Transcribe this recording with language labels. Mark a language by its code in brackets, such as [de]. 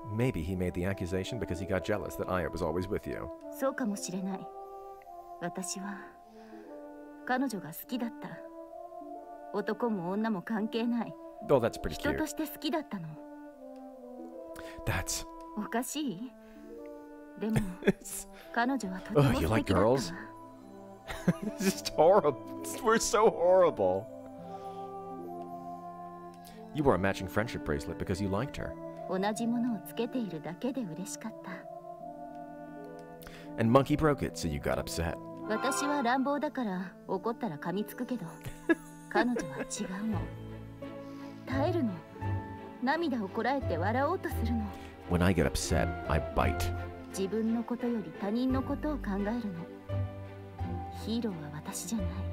[en] Maybe he made the accusation because he got jealous that Aya was always with you. [ja] そうかもしれない。私は彼女が好きだった。男も女も関係ない。 [en] Oh, that's pretty cute. [ja] 人として好きだったの。 [en] That's... [ja] おかしい? でも、彼女はとても素敵だった。 [en] You like girls? It's just horrible. We're so horrible. You wore a matching friendship bracelet because you liked her. [ja] 同じものをつけているだけで嬉しかった。 [en] And Monkey broke it, so you got upset. [ja] 私は乱暴だから怒ったら噛みつくけど、彼女は違うの。耐えるの。涙をこらえて笑おうとするの。 [en] When I get upset, I bite. [ja] 自分のことより他人のことを考えるの。ヒーローは私じゃない。